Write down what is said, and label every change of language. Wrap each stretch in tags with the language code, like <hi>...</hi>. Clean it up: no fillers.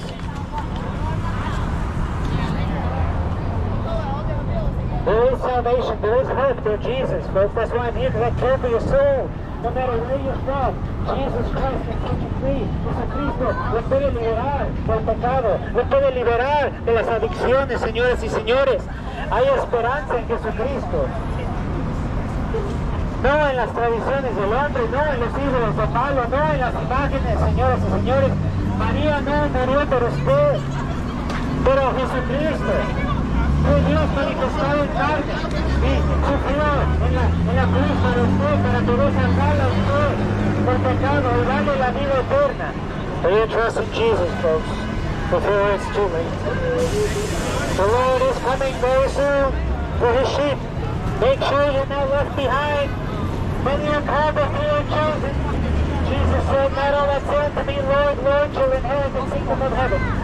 <en>There is salvation, there is hope through Jesus, folks. That's why I'm here, because I care for your soul. No matter where you're from, Jesus Christ can set you free.</en> <es>Jesucristo lo puede liberar del pecado. Lo puede liberar de las adicciones, señoras y señores. Hay esperanza en Jesucristo. No en las tradiciones del hombre, no en los ídolos de Pablo, no en las imágenes, señoras y señores. María no murió por usted, pero Jesucristo fue Dios manifestado en carne y sufrió en la cruz para usted, para poder sacarla a usted por pecado y darle la vida eterna.</es> <en>Do you trust in Jesus, folks, before it's too late? The Lord is coming very soon for his sheep. Make sure you're not left behind. When you're called before you're chosen, Jesus said, not all that sin to me, Lord, Lord, shall inherit the kingdom of heaven.</en>